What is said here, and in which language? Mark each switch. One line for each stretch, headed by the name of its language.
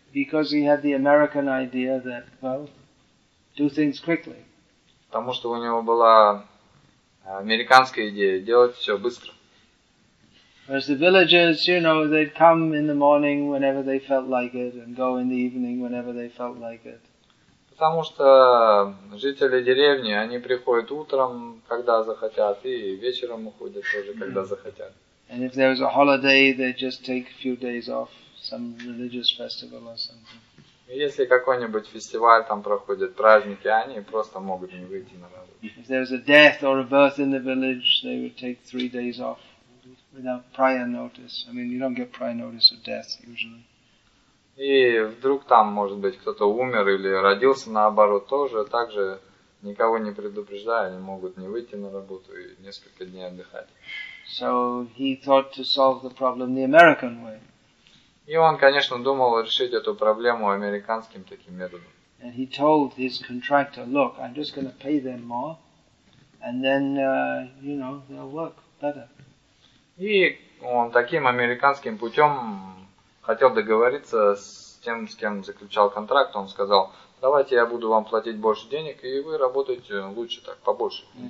English: Because he had the American idea that, well, do things quickly.
Russian: Потому что у него была американская идея делать все быстро.
English: Whereas the villagers, you know, they'd come in the morning whenever they felt like it and go in the evening whenever they felt like it.
Russian: Потому что жители деревни, они приходят утром, когда захотят, и вечером уходят тоже, когда захотят.
English: And if there was a holiday, they just take a few days off, some religious festival or something.
Russian: Если какой-нибудь фестиваль там проходит, праздники, они просто могут не выйти на работу.
English: If there was a death or a birth in the village, they would take 3 days off without prior notice. I mean, you don't get prior notice of death usually.
Russian: И вдруг там, может быть, кто-то умер или родился, наоборот, тоже так же, никого не предупреждая, они могут не выйти на работу и несколько дней отдыхать.
English: So he thought to solve the problem the American way.
Russian: И он, конечно, думал решить эту проблему американским таким методом.
English: And he told his contractor, look, I'm just going to pay them more, and then, you know, they'll work better.
Russian: И он таким американским путем хотел договориться с кем заключал контракт, он сказал, давайте я буду вам платить больше денег, и вы работаете лучше так, побольше.